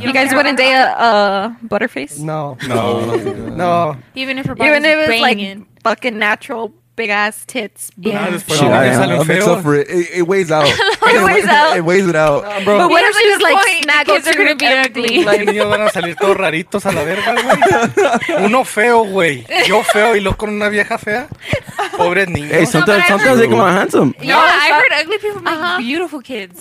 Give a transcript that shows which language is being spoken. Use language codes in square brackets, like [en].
[en] You guys wouldn't date a butterface? No. No. No. Even if her body's banging. Even if it's like fucking natural. Big ass tits. Yeah. Yeah. I'll mix up for it. It weighs out. It weighs it out. Nah, bro. But what if she was like snackers are gonna be ugly? [es] Los niños van a salir todos raritos a la verga, güey. Uno feo, güey. Yo feo y luego con una vieja fea. Pobre niño. [en] Hey, sometimes they come out handsome. No, yeah, I heard ugly people make beautiful kids.